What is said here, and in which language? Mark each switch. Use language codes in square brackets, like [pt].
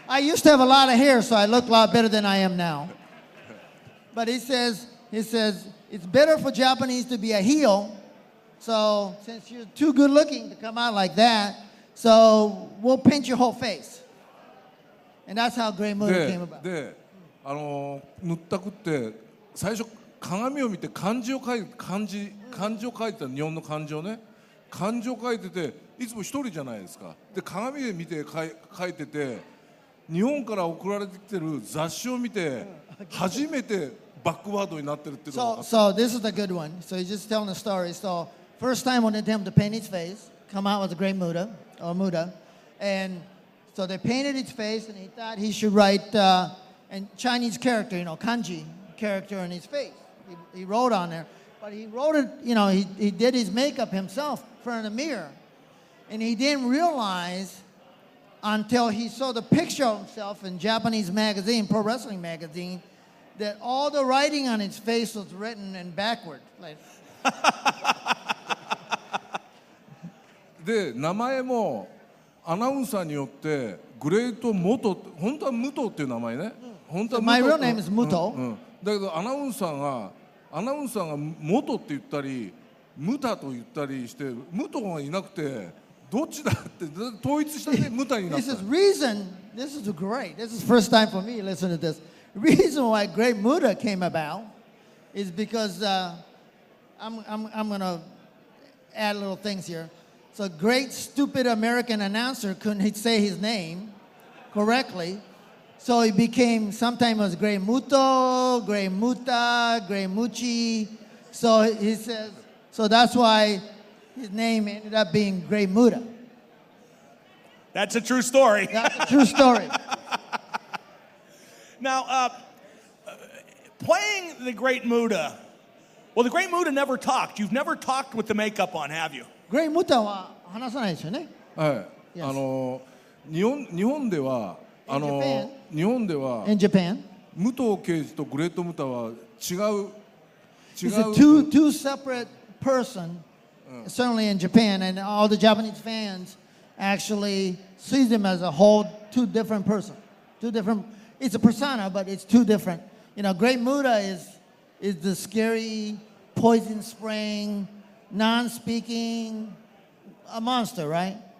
[en] I used to have a lot of hair, so I look a lot better than I am now. But he says, it's better for Japanese to be a heel. So since you're too good looking to come out like that, so we'll paint your whole face. And that's how Great Muta came about. [ja] で、塗ったくって、最初鏡を見て漢字を書いてた、日本の漢字をね。漢字を書いてていつも一人じゃないですかで鏡で見て書いてて日本から送られてきてる雑誌を見て初めてバックワードになってるっていうのが [en] So this is a good one. So he's just telling a story. So first time when they attempt to paint his face, come out with a great Muta. Omuda. And so they painted his face, and he thought he should write a Chinese character, you know, kanji character on his face. He wrote on there. But he wrote it, you know, he did his makeup himself in front of the mirror. And he didn't realize until he saw the picture of himself in Japanese magazine, pro wrestling magazine, that all the writing on his face was written in backward. Like. [ja] で、名前もアナウンサーによってグレート・モト、本当はムトっていう名前ね。本当 [en] は、so、my real name is ムト。 [ja] だけどアナウンサーがモトって言ったり、ムタと言ったりして、ムトがいなくて、どっちだって統一したね、ムタになった。 [en] This is reason, this is great, this is first time for me, listen to this. Reason why Great Muda came about is because I'm going to add little things here. So great stupid American announcer couldn't say his name correctly. So he became sometimes it was Great Muto, Great Muta, Great Muchi. So he says, so that's why his name ended up being Great Muda. That's a true story. That's a true story. Now, playing the Great Muda, well, the Great Muda never talked. You've never talked with the makeup on, have you? [ja] Great Muda は話さないですよね。はい。あの、日本では、あの、日本では、 [en] In Japan, [ja] 武藤刑事とグレートムタは違う。 [en] It's a two separate person, certainly in Japan, and all the Japanese fans actually see them as a whole two different person, two different... It's a persona, but it's two different. You know, Great Muda is the scary, poison spraying, non-speaking, a monster, right?